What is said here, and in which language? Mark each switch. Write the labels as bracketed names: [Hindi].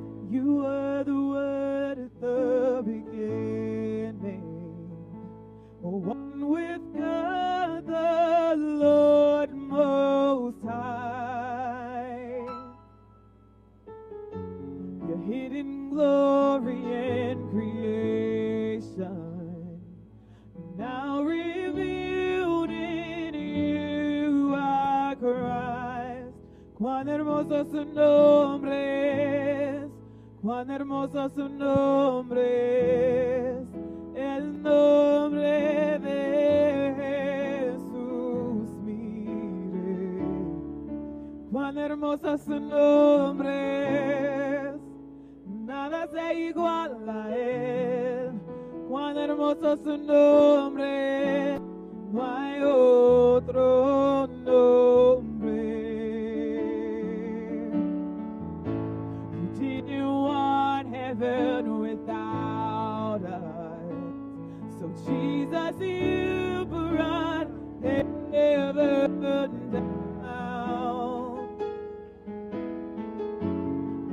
[English] You are the Word at the beginning, one with God, the Lord Most High. Your hidden glory and creation now revealed in you, our Christ. [Spanish] Cuán hermoso su nombre es. Cuán hermoso su nombre es. El nombre de Jesús, mire. Cuán hermoso su nombre es. Nada se iguala a él. Cuán hermoso su nombre, no hay otro nombre. [English] You didn't want heaven without us, so Jesus, you brought heaven down.